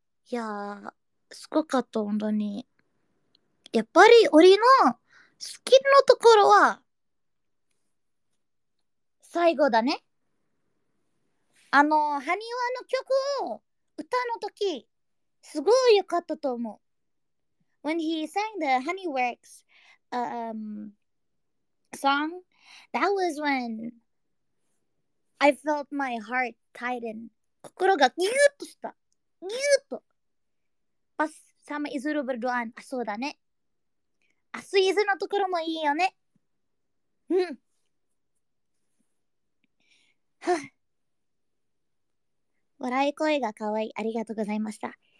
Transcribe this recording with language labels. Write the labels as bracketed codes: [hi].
[ja] いやー、すごかった、本当に。やっぱり、俺の好きなところは、最後だね。あの、ハニワの曲を歌の時、すごい良かったと思う。 [en] When he sang the Honeyworks, song, that was when I felt my heart tighten. [ja] 心がギューッとした。ギューッと。パスサムイズルブルドアン。あ、そうだね。アスイズのところもいいよね。うん。はっ。笑い声がかわいい。ありがとうございました。